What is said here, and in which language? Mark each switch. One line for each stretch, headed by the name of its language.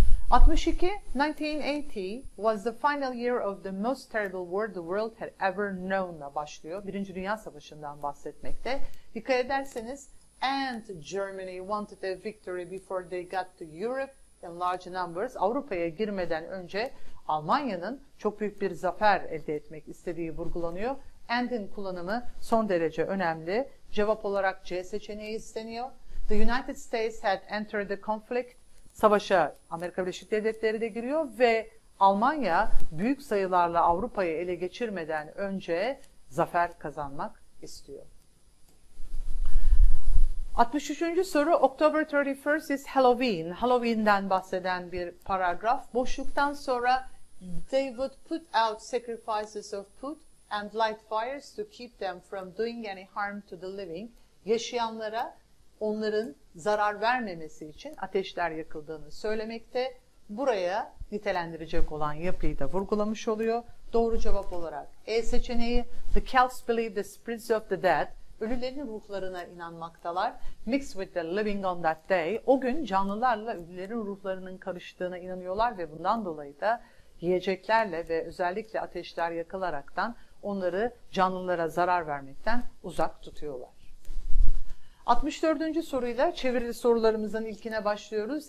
English: 62, 1980 was the final year of the most terrible war the world had ever known'la
Turkish: başlıyor. Birinci Dünya Savaşı'ndan bahsetmekte. Dikkat ederseniz,
English: and Germany wanted a victory before they got to Europe in large numbers.
Turkish: Avrupa'ya girmeden önce Almanya'nın çok büyük bir zafer elde etmek istediği vurgulanıyor. And'in kullanımı son derece önemli. Cevap olarak C seçeneği isteniyor.
English: The United States had entered the conflict.
Turkish: Savaşa Amerika Birleşik Devletleri de giriyor ve Almanya büyük sayılarla Avrupa'yı ele geçirmeden önce zafer kazanmak istiyor. 63. soru,
English: October 31st is Halloween.
Turkish: Halloween'den bahseden bir paragraf. Boşluktan sonra
English: they would put out sacrifices of food and light fires to keep them from doing any harm to the living.
Turkish: Yaşayanlara onların zarar vermemesi için ateşler yakıldığını söylemekte. Buraya nitelendirecek olan yapıyı da vurgulamış oluyor. Doğru cevap olarak E seçeneği.
English: The Celts believe the spirits of the dead.
Turkish: Ölülerin ruhlarına inanmaktalar.
English: Mixed with the living on that day.
Turkish: O gün canlılarla ölülerin ruhlarının karıştığına inanıyorlar ve bundan dolayı da yiyeceklerle ve özellikle ateşler yakılaraktan onları canlılara zarar vermekten uzak tutuyorlar. 64. soruyla çevirili sorularımızın ilkine başlıyoruz.